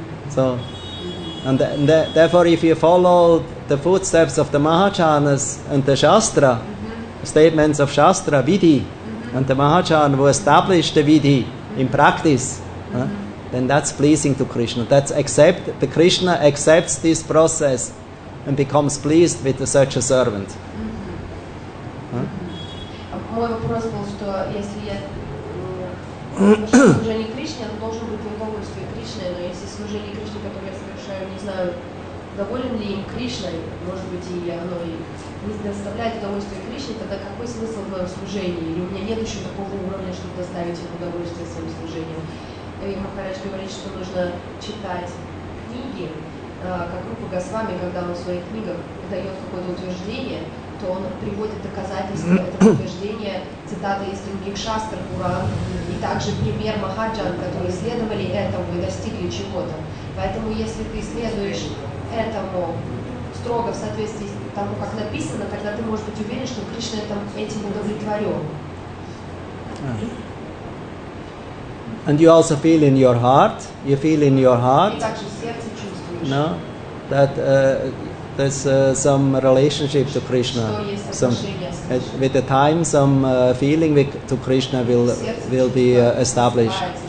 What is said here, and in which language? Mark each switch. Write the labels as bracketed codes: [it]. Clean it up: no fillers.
[en] So, and therefore, if you follow the footsteps of the Mahajanas and the Shastra, statements of Shastra, Vidhi, and the Mahajana who established the Vidhi in practice, then that's pleasing to Krishna. The Krishna accepts this process and becomes pleased with such a servant. [ru] Мой вопрос был, что если я служение Кришне, то должен быть не только служение Кришне, но если служение Кришне, которое я совершаю, не знаю, доволен ли им Кришна, может быть, и оно и не доставляет удовольствие Кришне, тогда какой смысл в моем служении? Или у меня нет еще такого уровня, чтобы доставить им удовольствие своим служением? И Махарадж говорит, что нужно читать книги, как Рупа Госвами, когда он в своих книгах дает какое-то утверждение, то он приводит доказательства этого утверждения, цитаты из других шастр, Пуран, и также пример Махаджан, которые следовали этому и достигли чего-то. Поэтому если ты следуешь этому строго в соответствии с тому, как написано, тогда ты можешь быть уверен, что Кришна этим удовлетворен. [en] And you also feel in your heart, you feel in your heart, no, that there's some relationship to Krishna, some, with the time some feeling with, to Krishna will be established.